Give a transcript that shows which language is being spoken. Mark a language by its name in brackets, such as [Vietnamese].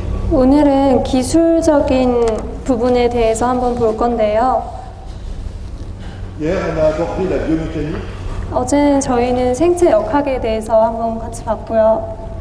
[Korean] 오늘은 기술적인 부분에 대해서 한번 볼 건데요. [French] Hier, on a abordé la biomécanique. [Korean] 어제는 저희는 생체 역학에 대해서 한번 같이 봤고요.